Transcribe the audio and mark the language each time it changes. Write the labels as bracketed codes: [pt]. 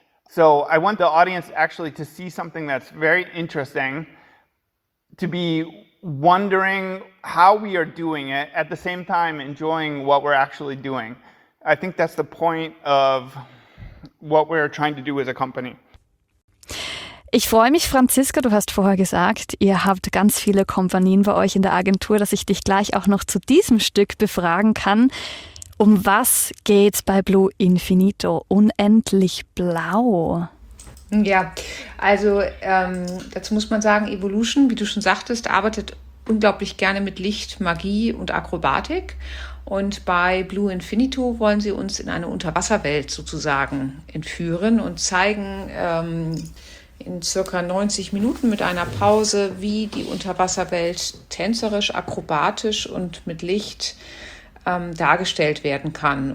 [en] So I want the audience actually to see something that's very interesting, to be wondering how we are doing it, at the same time enjoying what we're actually doing. I think that's the point of what we're trying to do as a company. [de] Ich freue mich, Franziska, du hast vorher gesagt, ihr habt ganz viele Kompanien bei euch in der Agentur, dass ich dich gleich auch noch zu diesem Stück befragen kann. Um was geht's bei Blue Infinito? Unendlich blau. Ja, also dazu muss man sagen, Evolution, wie du schon sagtest, arbeitet unglaublich gerne mit Licht, Magie und Akrobatik. Und bei Blue Infinito wollen sie uns in eine Unterwasserwelt sozusagen entführen und zeigen, in circa 90 Minuten mit einer Pause, wie die Unterwasserwelt tänzerisch, akrobatisch und mit Licht dargestellt werden kann.